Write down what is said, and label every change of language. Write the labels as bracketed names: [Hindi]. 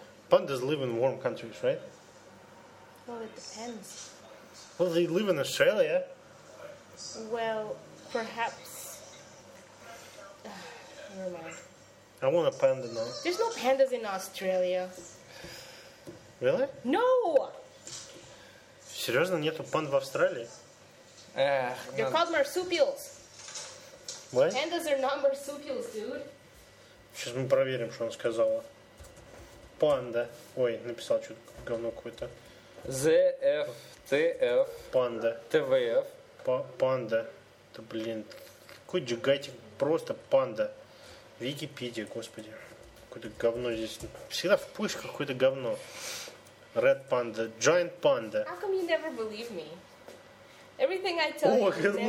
[English] Pandas live in warm countries, right? Well, it depends. Well, they live in Australia. Well, perhaps. Never mind. I want a panda now. There's no pandas in Australia. Really? No! Seriously, [Russian] нету панд в Австралии? [English] They're called marsupials. What? Pandas are not marsupials, dude. [Russian] Сейчас мы проверим, что она сказала. Панда. Ой, написал что-то говно какое-то. ZFTF. Панда. ТВФ. Панда. Да блин. Какой джигатик. Просто панда. Википедия, господи. Какое-то говно здесь. Всегда в поисках какое-то говно. [English] Red Panda. Giant Panda. How come you never believe me? Everything I tell you, you